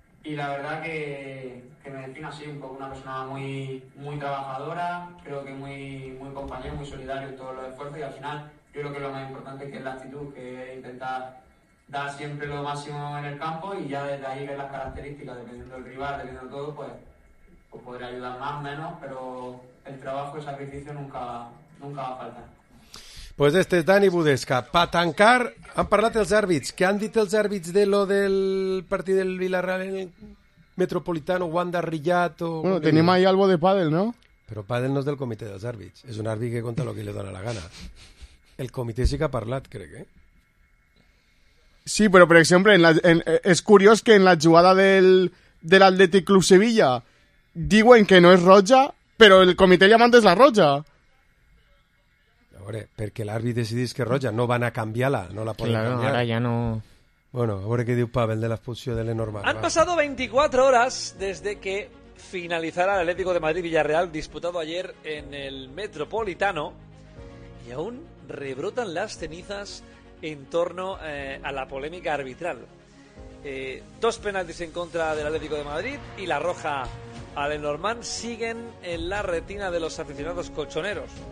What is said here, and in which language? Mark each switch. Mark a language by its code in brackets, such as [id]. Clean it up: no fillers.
[es] Y la verdad que me defino así, un poco una persona muy, muy trabajadora, creo que muy, muy compañero, muy solidario en todos los esfuerzos. Y al final yo creo que lo más importante es que es la actitud, que es intentar dar siempre lo máximo en el campo y ya desde ahí ver las características, dependiendo del rival, dependiendo de todo, pues podría ayudar más o menos, pero el trabajo y el sacrificio nunca va a faltar. Pues este es Dani Budesca. [ca] Pa tancar, han parlat els àrbits. Què han dit els àrbits de lo del partit del Villarreal en el Metropolitano, Wanda Rillat o... Bueno, tenim ahí algo de pàdel, no? Però pàdel no és del comitè dels àrbits. És un àrbit que conta lo que li dona la gana. El comitè sí que ha parlat, crec, eh? Sí, però, per exemple, és curiós que en la jugada de l'Atlètic Club Sevilla... Diuen que no és roja, però el comitè llamant és la roja. A veure, perquè l'àrbit decidís que és roja, no van a canviar-la, no la poden canviar. Claro, ara ja no... Bueno, a veure què diu Pavel de l'expulsió de Lenormand. [es] Han pasado 24 horas desde que finalizara el Atlético de Madrid-Villarreal disputado ayer en el Metropolitano y aún rebrotan las cenizas en torno a la polémica arbitral. Dos penaltis en contra del Atlético de Madrid y la roja a Lenormand siguen en la retina de los aficionados colchoneros.